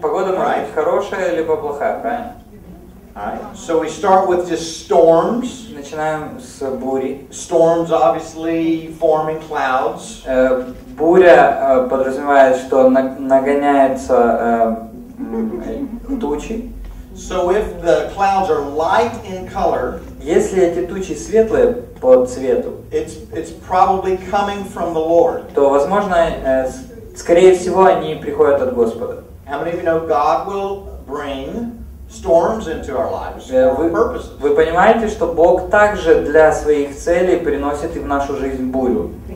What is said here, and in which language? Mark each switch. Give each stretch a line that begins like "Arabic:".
Russian: Погода может быть хорошая либо плохая, правильно?
English: Alright, so we start with just storms.
Russian: Начинаем с бури.
English: Storms obviously forming clouds.
Russian: Буря подразумевает, что нагоняется тучи.
English: So if the clouds are light in color,
Russian: если эти тучи светлые по цвету,
English: it's probably coming from the Lord.
Russian: То возможно, скорее всего, они приходят от Господа.
English: How many of you know God will bring storms into our lives for purposes.
Russian: Вы понимаете, что Бог также для своих целей приносит и в нашу жизнь бурю.